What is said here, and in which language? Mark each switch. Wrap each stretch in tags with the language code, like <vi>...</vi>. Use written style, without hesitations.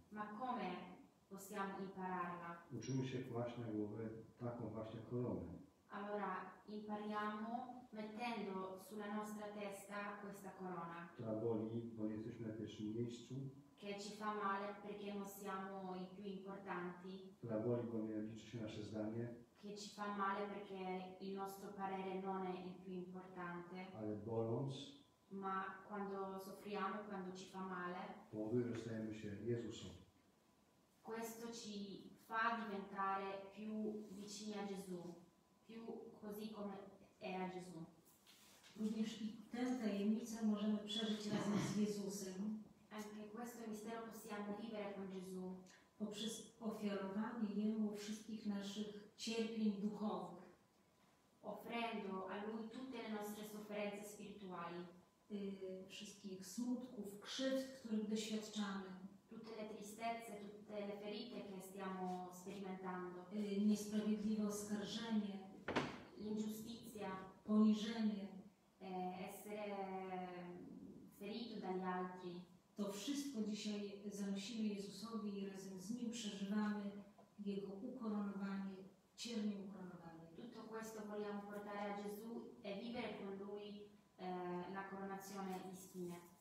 <it>Ma come possiamo impararla?</it> <pl>Uczymy się właśnie głowę taką właśnie koronę.</pl> <it>Allora impariamo mettendo sulla nostra testa questa corona.</it> <pl>Która boli, bo nie jesteśmy na pierwszym miejscu.</pl> <it>Che ci fa male perché non siamo i più importanti.</it> <pl>Która boli, bo nie liczy się nasze zdanie.</pl> <it>Che ci fa male perché il nostro parere non è il più importante.</it> <pl>Ale boląc.</pl> <it>Ma quando soffriamo, quando ci fa male.</it> <pl>Powyżej stajemy się Jezusem.</pl> <it>Questo ci fa diventare più vicini a Gesù. Più così come era Gesù.</it> <pl>Również i tę tajemnicę możemy przeżyć razem z Jezusem.</pl> <it>Anche questo mistero possiamo vivere con Gesù.</it> <pl>Poprzez ofiarowanie Jemu wszystkich naszych cierpień duchowych.</pl> <it>Offrendo a Lui tutte le nostre sofferenze spirituali.</it> <pl>Wszystkich smutków, krzywd, których doświadczamy.</pl> <it>Tutte le tristezze, tutte le ferite che stiamo sperimentando.</it> <pl>Niesprawiedliwe oskarżenie.</pl> <it>L'ingiustizia,</it> <pl>poniżenie,</pl> <it>essere ferito dagli altri.</it> <pl>To wszystko dzisiaj zanosimy Jezusowi i razem z Nim przeżywamy Jego ukoronowanie, cierpień ukoronowanie.</pl> <it>Tutto questo vogliamo portare a Gesù e vivere con Lui la coronazione di spine.</it>